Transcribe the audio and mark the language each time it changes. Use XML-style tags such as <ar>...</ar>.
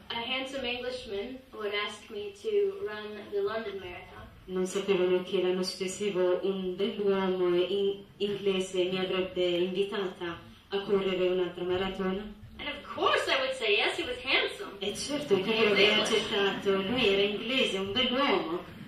<en>A handsome Englishman would ask me to run the London Marathon.</en> <it>Non sapevano che l'anno successivo un bell'uomo inglese mi avrebbe invitata a correre un'altra maratona.</it> <en>And of course I would say yes, he was handsome.</en> <it>E certo che io avrei accettato, lui era inglese, un bell'uomo.</it>